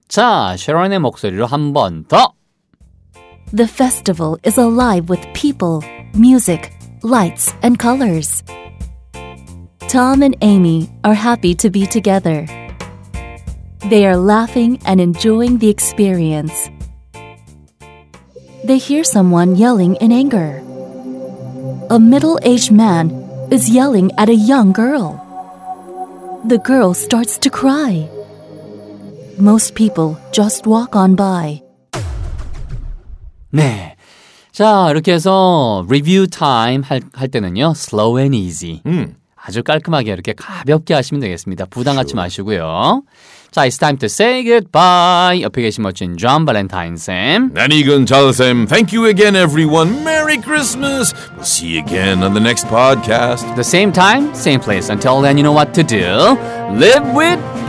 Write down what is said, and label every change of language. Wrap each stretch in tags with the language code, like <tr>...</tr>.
<ko>자, 셰런의 목소리로 한 번 더.</ko> <en>The festival is alive with people, music, lights, and colors. Tom and Amy are happy to be together. They are laughing and enjoying the experience. They hear someone yelling in anger. A middle-aged man is yelling at a young girl. The girl starts to cry. Most people just walk on by.</en> <ko>네. 자, 이렇게 해서 리뷰 타임 할 때는요.</ko> <en>Slow and easy.</en> <ko>아주 깔끔하게 이렇게 가볍게 하시면 되겠습니다. 부담 갖지</ko> <en>sure.</en> <ko>마시고요. 자,</ko> <en>it's time to say goodbye.</en> <ko>옆에 계신 멋진 존 발렌타인 쌤.</ko> <en>나니 군잘 쌤. Thank you again, everyone. Merry Christmas. We'll see you again on the next podcast. The same time, same place. Until then, you know what to do. Live with passion, love, happiness, and good health.</en>